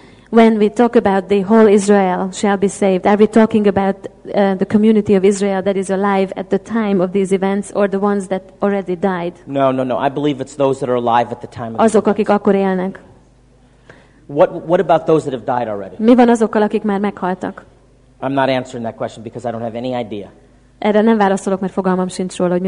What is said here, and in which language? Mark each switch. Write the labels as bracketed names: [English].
[English] When we talk about the whole Israel shall be saved, are we talking about the community of Israel that is alive at the time of these events, or the ones that already died? No. I believe it's those that are alive at the time of these events. [Hungarian] Azok, akik akkor élnek. [English] What about those that have died already? [Hungarian] Mi van azokkal, akik már meghaltak? [English] I'm not answering that question because I don't have any idea. [Hungarian] Erre nem válaszolok, mert fogalmam sincs róla, hogy mi